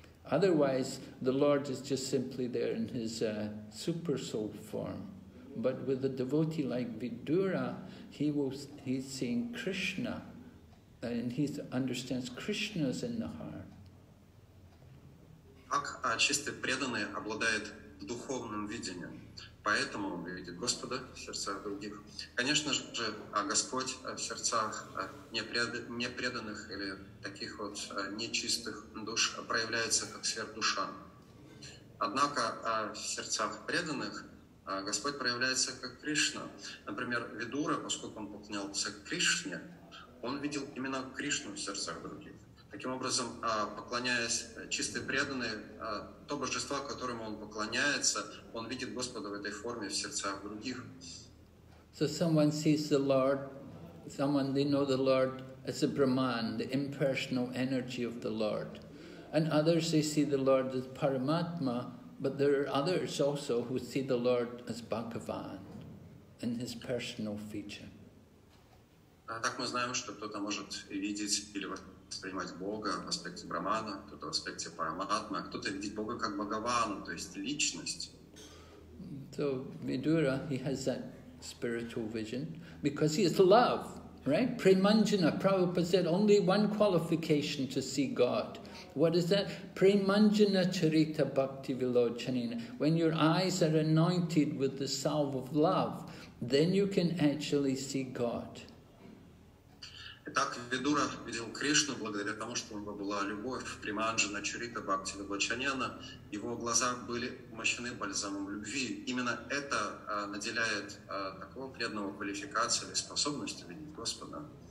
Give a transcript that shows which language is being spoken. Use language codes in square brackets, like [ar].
[en] Otherwise, the Lord is just simply there in his super soul form. But with a devotee like Vidura, he's seeing Krishna, and he understands Krishna's in the heart. [ru] Так, чистый преданный обладает духовным видением, поэтому он видит Господа в сердцах других. Конечно же, Господь в сердцах непреданных или таких вот нечистых душ проявляется как сверхдуша. Однако в сердцах преданных Господь проявляется как Кришна. Например, Видура, поскольку он поклонялся Кришне, он видел именно Кришну в сердцах других. Таким образом, поклоняясь чистой преданной, то божество, которому он поклоняется, он видит Господа в этой форме в сердцах других. [en] So someone sees the Lord, someone they know the Lord as a Brahman, the impersonal energy of the Lord. And others they see the Lord as Paramatma, but there are others also who see the Lord as Bhagavan in his personal feature. [ru] Так мы знаем, что кто-то может видеть или воспринимать Бога в аспекте Брахмана, кто-то в аспекте Параматмы, а кто-то видит Бога как Бхагавану, то есть личность. [en] So Vidura, he has that spiritual vision because he is love, right? Premanjana, Prabhupada said only one qualification to see God. What is that? [sa] Premanjana charita bhakti vilochanina. [en] When your eyes are anointed with the salve of love, then you can actually see God. [ru] Так Видура видел Кришну благодаря тому, что у него была любовь, [sa] приманджана, чурита, бхакти, вибачаняна. [ru] Его глаза были умощены бальзамом любви. Именно это наделяет такого преданного квалификации или способности видеть Господа.